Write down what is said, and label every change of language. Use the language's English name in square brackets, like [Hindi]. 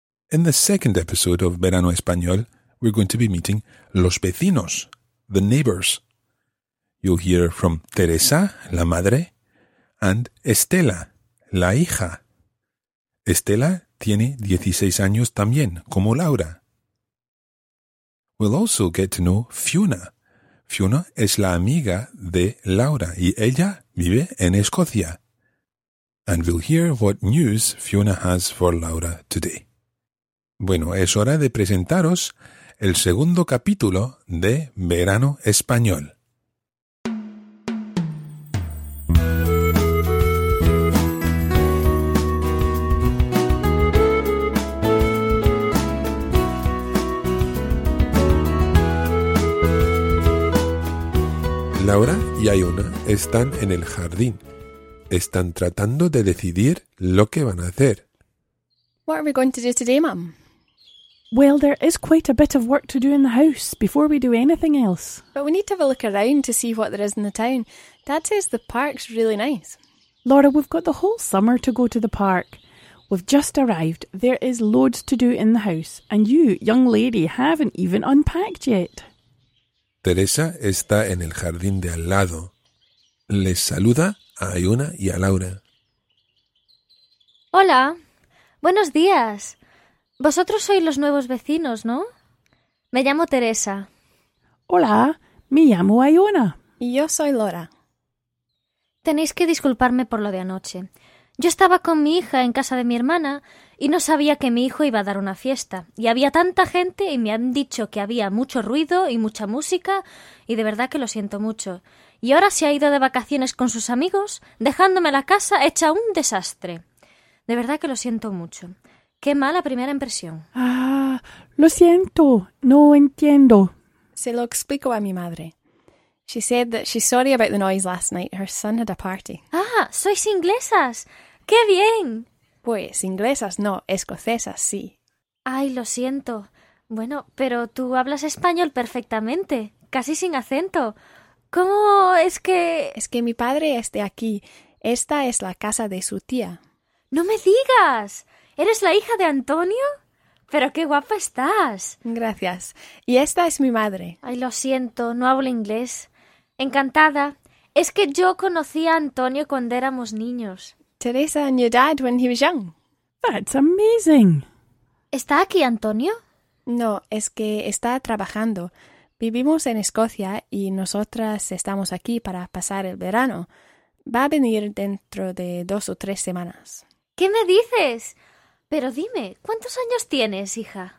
[English] In the second episode of Verano Español, we're going to be meeting [Spanish] los vecinos, [English] the neighbors. You'll hear from Teresa, [Spanish] la madre, [English] and Estela, [Spanish] la hija. Estela tiene 16 años también, como Laura. [English] We'll also get to know Fiona. [Spanish] Fiona es la amiga de Laura y ella vive en Escocia. [English] And we'll hear what news Fiona has for Laura today. [Spanish] Bueno, es hora de presentaros el segundo capítulo de Verano Español. Laura y Iona están en el jardín. Están tratando de decidir lo que van a hacer. [English] What are we going to do today, Mum? Well, there is quite a bit of work to do in the house before we do anything else. But we need to have a look around to see what there is in the town. Dad says the park's really nice. Laura, we've got the whole summer to go to the park. We've just arrived. There is loads to do in the house. And you, young lady, haven't even unpacked yet. [Spanish] Teresa está en el jardín de al lado. Les saluda a Iona y a Laura. Hola, buenos días. Vosotros sois los nuevos vecinos, ¿no? Me llamo Teresa. Hola, me llamo Iona. Y yo soy Laura. Tenéis que disculparme por lo de anoche. Yo estaba con mi hija en casa de mi hermana y no sabía que mi hijo iba a dar una fiesta. Y había tanta gente y me han dicho que había mucho ruido y mucha música y de verdad que lo siento mucho. Y ahora se ha ido de vacaciones con sus amigos, dejándome la casa hecha un desastre. De verdad que lo siento mucho. Qué mala primera impresión. Ah, lo siento. No entiendo. Se lo explico a mi madre. [English] She said that she's sorry about the noise last night. Her son had a party. [Spanish] ¡Ah! ¡Sois inglesas! ¡Qué bien! Pues inglesas no, escocesas sí. ¡Ay, lo siento! Bueno, pero tú hablas español perfectamente, casi sin acento. ¿Cómo es que...? Es que mi padre es de aquí. Esta es la casa de su tía. ¡No me digas! ¿Eres la hija de Antonio? ¡Pero qué guapa estás! Gracias. Y esta es mi madre. Ay, lo siento, no hablo inglés. Encantada. Es que yo conocí a Antonio cuando éramos niños. [English] Teresa and your dad when he was young. That's amazing. [Spanish] ¿Está aquí Antonio? No, es que está trabajando. Vivimos en Escocia y nosotras estamos aquí para pasar el verano. Va a venir dentro de 2 o 3 semanas. ¿Qué me dices? Pero dime, ¿cuántos años tienes, hija?